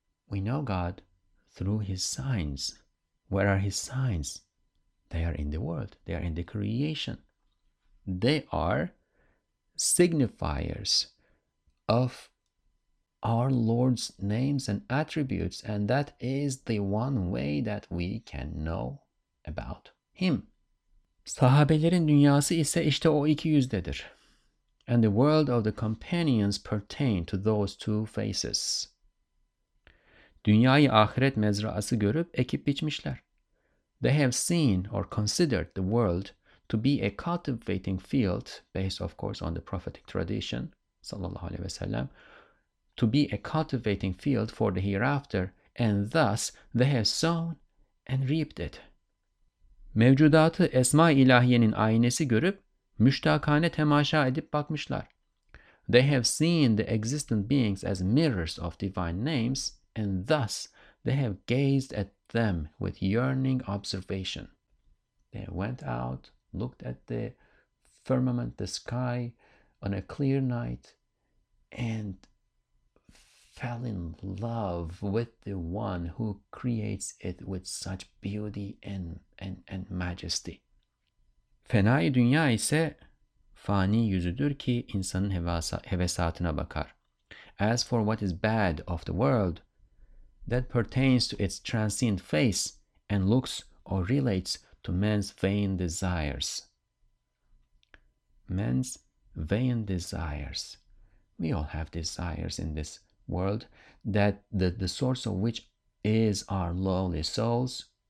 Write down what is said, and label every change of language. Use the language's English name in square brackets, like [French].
[English] We know God through His signs. Where are His signs? They are in the world. They are in the creation. They are signifiers of our Lord's names and attributes, and that is the one way that we can know about Him. [Turkish] Sahabelerin dünyası ise işte o iki yüzdedir. [English] And the world of the companions pertain to those two faces. [Turkish] Dünyayı ahiret mezrası görüp ekip biçmişler. [English] They have seen or considered the world to be a cultivating field, based of course on the prophetic tradition, sallallahu aleyhi ve sellem, to be a cultivating field for the hereafter, and thus they have sown and reaped it. [Turkish] Mevcudatı Esma-i İlahiyenin aynesi görüp, müştakane temaşa edip bakmışlar. [English] They have seen the existent beings as mirrors of divine names, and thus they have gazed at them with yearning observation. They went out, looked at the firmament, the sky, on a clear night, and fell in love with the one who creates it with such beauty and majesty. [Turkish] Fenai dünya ise fani yüzüdür ki insanın hevesatına bakar. [English] As for what is bad of the world, that pertains to its transient face and looks or relates to men's vain desires. Men's vain desires. We all have desires in this world, that the source of which is our lowly souls.